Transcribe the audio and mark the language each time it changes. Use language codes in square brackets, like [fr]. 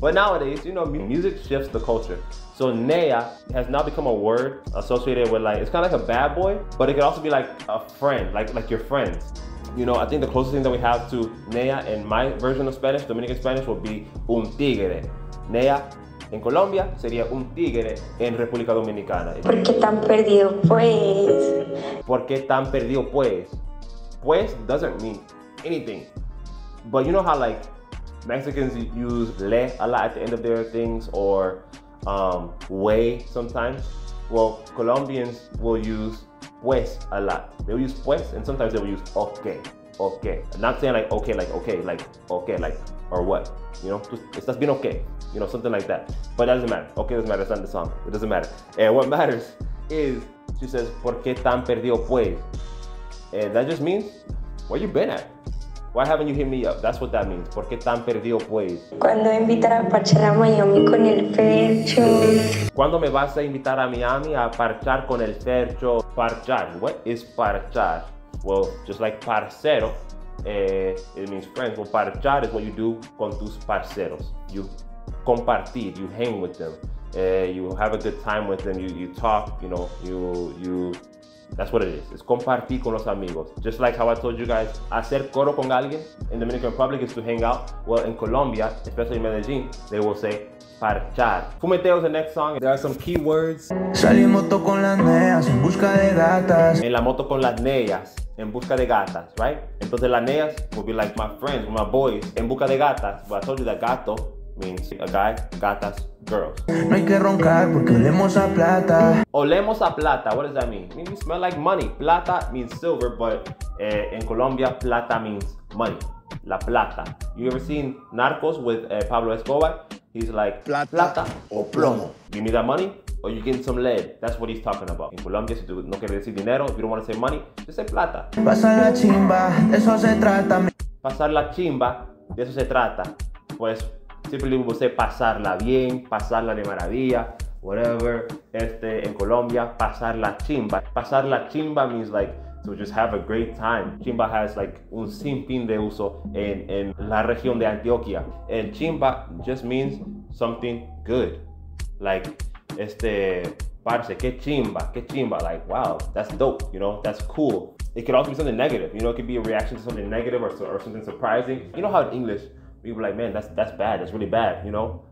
[en] But nowadays, you know, music shifts the culture. So nea has now become a word associated with like, it's kind of like a bad boy, but it could also be like a friend, like your friends. You know, I think the closest thing that we have to nea in my version of Spanish, Dominican Spanish, would be un tigre. [es] Nea. En Colombia sería un tigre en República Dominicana. ¿Por qué tan perdido, pues? ¿Por qué tan perdido, pues? [en] Pues doesn't mean anything. But you know how, like, Mexicans use le a lot at the end of their things or way sometimes? Well, Colombians will use pues a lot. They'll use pues and sometimes they'll use okay. Okay. Not saying like okay, like okay, like okay, like or what. You know, [es] estás bien okay. [en] You know, something like that. But that doesn't matter. Okay, doesn't matter. It's not the song. It doesn't matter. And what matters is, she says, [es] ¿por qué tan perdido pues? [en] And that just means, where you been at? Why haven't you hit me up? That's what that means. [es] ¿Por qué tan perdido pues? Cuando invitar a parchar a Miami con el Ferxxo. ¿Cuándo me vas a invitar a Miami a parchar con el Ferxxo? [en] Parchar. What is parchar? Well, just like parcero, it means friends. Well, parchar is what you do [es] con tus parceros. [en] You compartir, you hang with them, you have a good time with them, you talk, you know, you that's what it is. It's [es] compartir con los amigos. [en] Just like how I told you guys, [es] hacer coro con alguien [en] in Dominican Republic is to hang out. Well, in Colombia, especially in Medellin, they will say parchar. Fumeteo is the next song. There are some key words. [es] Salí en moto con las neas en busca de gatas. En la moto con las neas en busca de gatas, right? Entonces las neas [en] will be like my friends, my boys, [es] en busca de gatas. [en] But I told you that gato means a guy, gatas, girls. [es] No hay que roncar porque olemos a plata. Olemos a plata, [en] what does that mean? It means we smell like money. Plata means silver, but in Colombia, plata means money. La plata. You ever seen Narcos with Pablo Escobar? He's like, [es] plata o plomo. [en] Give me that money or you get some lead. That's what he's talking about. In Colombia, [es] si tú no quieres decir dinero, [en] if you don't want to say money, just say plata. [es] Pasar la chimba, eso se trata. Pasar la chimba, de eso se trata. Pues, [en] simply we will say [es] pasarla bien, pasarla de maravilla, whatever. En Colombia, pasar la chimba. [en] Pasar la chimba means like, to just have a great time. [es] Chimba [en] has like [es] un sinfín de uso en la región de Antioquia. [en] And chimba just means something good. Like, [es] parce, qué chimba, [en] like, wow, that's dope, you know, that's cool. It could also be something negative, you know, it could be a reaction to something negative or something surprising. You know how in English, people are like, man, that's bad, that's really bad, you know?